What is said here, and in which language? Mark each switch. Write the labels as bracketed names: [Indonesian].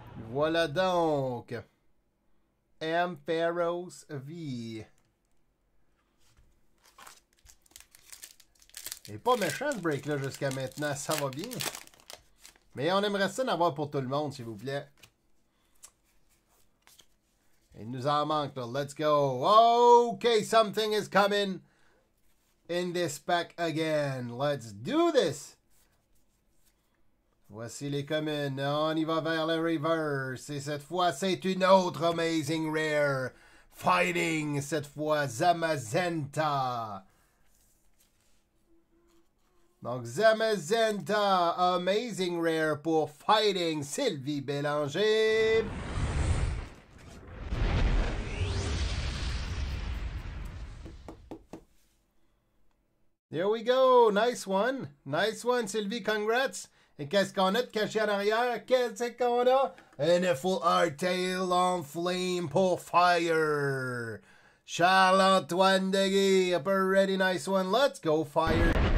[French] Voilà donc, Ampharos V. Et pas méchant ce break là jusqu'à maintenant, ça va bien. Mais on aimerait ça en avoir pour tout le monde, s'il vous plaît. Il nous en manque là, [English] let's go. Okay, something is coming in this pack again. Let's do this. [French] Voici les communes, on y va vers le reverse, et cette fois c'est une autre Amazing Rare, Fighting, cette fois Zamazenta. Donc Zamazenta, Amazing Rare pour Fighting, Sylvie Bélanger. [English] There we go, nice one Sylvie, congrats. [French] Et qu'est-ce qu'on a de caché en arrière? Qu'est-ce qu'on a? Full Art Tail on Flame pour Fire. [English] Charles-Antoine Degui, a pretty nice one. Let's go, Fire.